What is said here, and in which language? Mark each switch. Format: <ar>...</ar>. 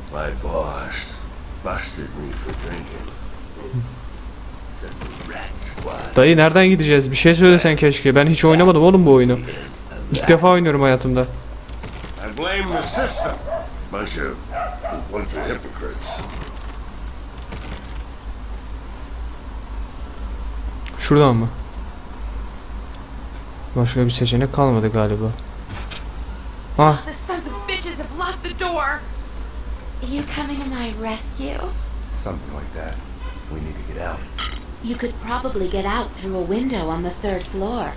<en>My boss busted me for drinking. The rat squad.</en> <tr>Dayı nereden gideceğiz? Bir şey söylesen keşke. Ben hiç oynamadım oğlum bu oyunu. İlk defa oynuyorum hayatımda.</tr> <en>I blame the system. Bunch of hypocrites.</en> <tr>Şuradan mı? Başka bir seçenek kalmadı galiba. Ha.</tr> <en>Are you coming to my rescue? Something like that. We need to get out. You could probably get out through a window on the third floor.</en>